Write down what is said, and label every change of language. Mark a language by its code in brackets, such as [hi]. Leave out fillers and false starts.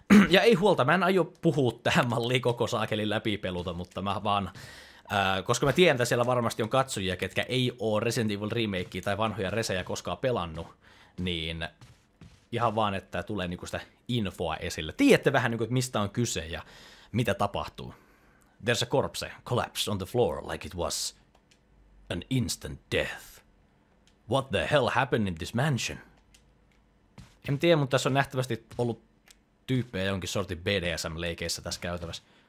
[fi] Ja ei huolta, mä en aio puhua tähän malliin koko saakelin läpipeluta, mutta mä vaan, koska mä tiedän, että siellä varmasti on katsojia, ketkä ei ole Resident Evil remakea tai vanhoja resejä koskaan pelannut, niin ihan vaan, että tulee niinku sitä infoa esille. Tiedätte vähän, niinku, mistä on kyse ja mitä tapahtuu. [en] There's a corpse collapsed on the floor like it was an instant death. What the hell happened in this mansion? [fi] En tiedä, mutta tässä on nähtävästi ollut tyyppejä jonkin sortin BDSM-leikeissä tässä käytävässä.